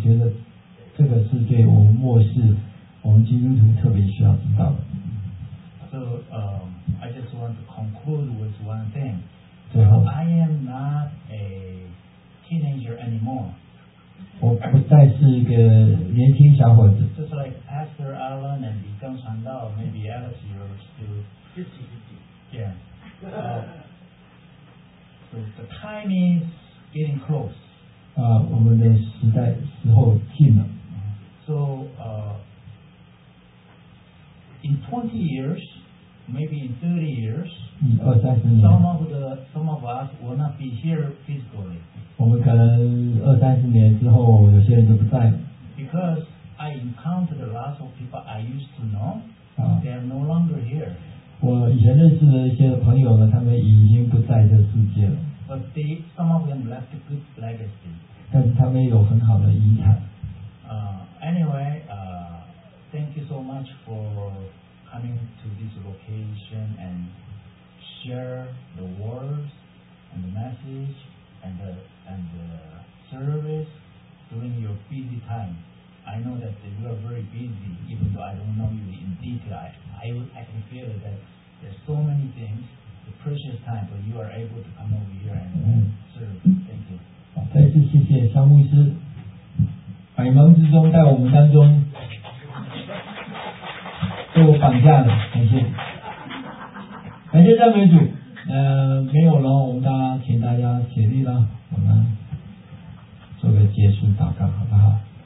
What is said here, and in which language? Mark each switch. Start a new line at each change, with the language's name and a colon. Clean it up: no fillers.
Chinese: 我觉得这个是对我们末世，我们基督徒特别需要知道的。
English: So I just want to conclude with one thing. So I am not a teenager anymore.
Chinese: 我不再是一个年轻小伙子。
English: Just like Pastor Alan and Li Gang Chuan Dao, maybe Alex, you're still 50. Yeah. So the time is getting close.
Chinese: 我们的时代时候近了。
English: So in 20 years. Maybe in 30 years, some of us will not be here physically.
Chinese: 我们可能二三十年之后，有些人就不在了。
English: Because I encountered lots of people I used to know, they are no longer here.
Chinese: 我以前认识的一些朋友呢，他们已经不在这世界了。
English: But some of them left a good legacy.
Chinese: 但是他们有很好的遗产。
English: Anyway, thank you so much for. Coming to this location and share the words and the message and the service during your busy time. I know that you are very busy, even though I don't know you in detail. I can feel that there's so many things, the precious time, but you are able to come over here and serve. Thank you.
Chinese: 再次谢谢肖牧师，百忙之中在我们当中。被我绑架了，感谢，感谢赞美主。没有了，我们大家请大家起立了，我们做个结束祷告，好不好？